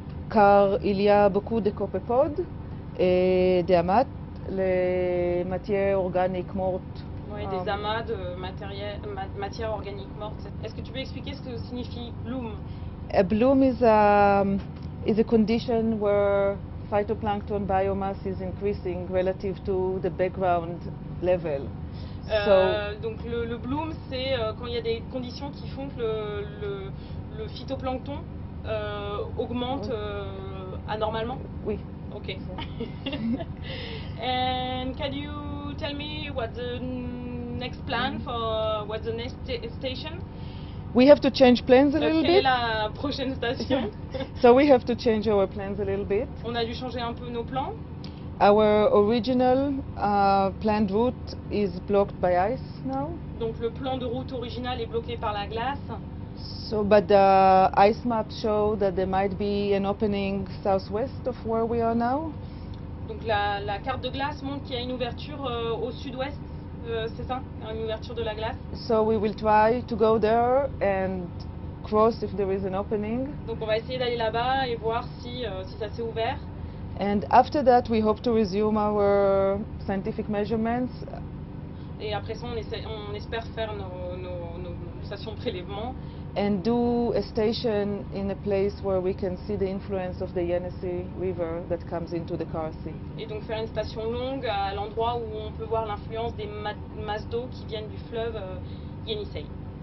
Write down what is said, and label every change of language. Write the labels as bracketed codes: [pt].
[fr] Car il y a beaucoup de copépodes et des amas, les matières organiques mortes. Oui, des amas de matière organique morte. Est-ce que tu peux expliquer ce que signifie bloom? [en] A bloom is a condition where phytoplankton biomass is increasing relative to the background level. [fr] Donc le bloom, c'est quand il y a des conditions qui font que le phytoplancton augmente anormalement. Oui. Ok. [en] And can you tell me what the next plan for what the next station? We have to change plans a little [fr] Quelle est [en] bit. [fr] la prochaine station? [en] So we have to change our plans a little bit. [fr] On a dû changer un peu nos plans. [en] Our original planned route is blocked by ice now. [fr] Donc le plan de route original est bloqué par la glace. [en] So, but the ice map show that there might be an opening southwest of where we are now. [fr] Donc la carte de glace montre qu'il y a une ouverture au sud-ouest, c'est ça? Une ouverture de la glace. [en] So we will try to go there and cross if there is an opening. [fr] Donc on va essayer d'aller là-bas et voir si ça s'est ouvert. [en] And after that, we hope to resume our scientific measurements. [fr] Et après ça, on espère faire nos stations de prélèvement. [en] And do a station in a place where we can see the influence of the Yenisei River that comes into the Kara Sea. [fr] Et donc faire une station longue à l'endroit où on peut voir l'influence des masses d'eau qui viennent du fleuve Yenisei.